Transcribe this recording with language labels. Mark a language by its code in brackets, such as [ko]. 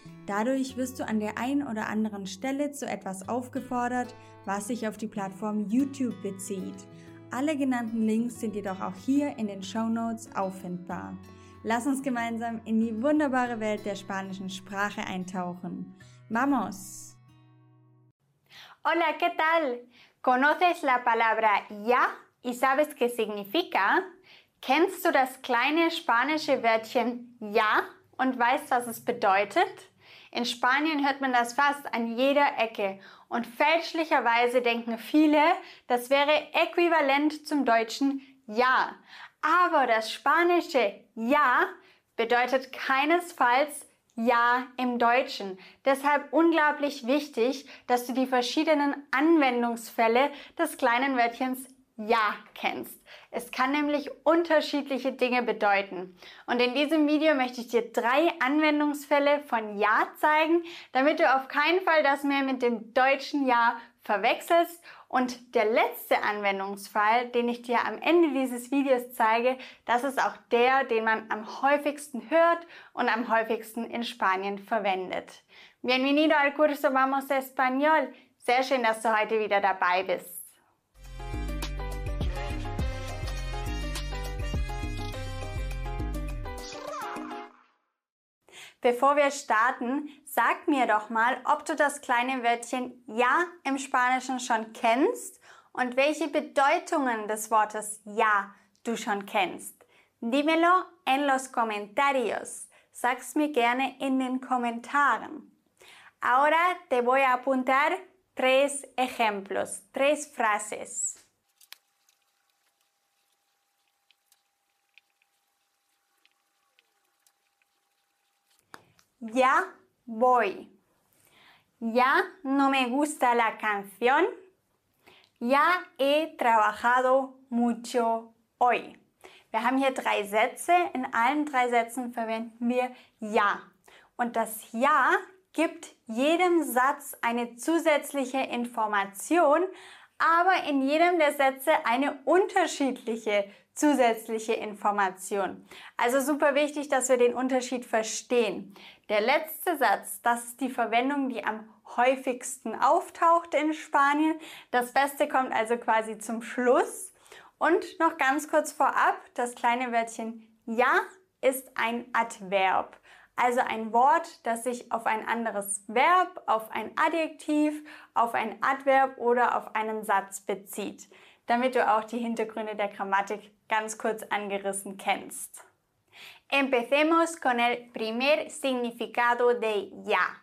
[de] Dadurch wirst du an der einen oder anderen Stelle zu etwas aufgefordert, was sich auf die Plattform YouTube bezieht. Alle genannten Links sind jedoch auch hier in den Shownotes auffindbar. Lass uns gemeinsam in die wunderbare Welt der spanischen Sprache eintauchen. [es] ¡Vamos! Hola, ¿qué tal? ¿Conoces la palabra ya y sabes qué significa? [de] Kennst du das kleine spanische Wörtchen ja und weißt, was es bedeutet? In Spanien hört man das fast an jeder Ecke und fälschlicherweise denken viele, das wäre äquivalent zum deutschen Ja. Aber das spanische Ja bedeutet keinesfalls Ja im Deutschen. Deshalb unglaublich wichtig, dass du die verschiedenen Anwendungsfälle des kleinen Wörtchens Ja kennst. Es kann nämlich unterschiedliche Dinge bedeuten. Und in diesem Video möchte ich dir 3 Anwendungsfälle von Ja zeigen, damit du auf keinen Fall das mehr mit dem deutschen Ja verwechselst. Und der letzte Anwendungsfall, den ich dir am Ende dieses Videos zeige, das ist auch der, den man am häufigsten hört und am häufigsten in Spanien verwendet. [es] Bienvenido al curso Vamos Español. [de] Sehr schön, dass du heute wieder dabei bist. Bevor wir starten, sag mir doch mal, ob du das kleine Wörtchen ja im Spanischen schon kennst und welche Bedeutungen des Wortes ja du schon kennst. [es] Dímelo en los comentarios. [de] Sag's mir gerne in den Kommentaren. [es] Ahora te voy a apuntar 3 ejemplos, 3 frases. Ya voy. Ya no me gusta la canción. Ya he trabajado mucho hoy. [de] Wir haben hier 3 Sätze. In allen 3 Sätzen verwenden wir ja. Und das ja gibt jedem Satz eine zusätzliche Information, aber in jedem der Sätze eine unterschiedliche zusätzliche Information. Also super wichtig, dass wir den Unterschied verstehen. Der letzte Satz, das ist die Verwendung, die am häufigsten auftaucht in Spanien. Das Beste kommt also quasi zum Schluss. Und noch ganz kurz vorab, das kleine Wörtchen ja ist ein Adverb. Also ein Wort, das sich auf ein anderes Verb, auf ein Adjektiv, auf ein Adverb oder auf einen Satz bezieht. Damit du auch die Hintergründe der Grammatik ganz kurz angerissen kennst. [es] Empecemos con el primer significado de ya.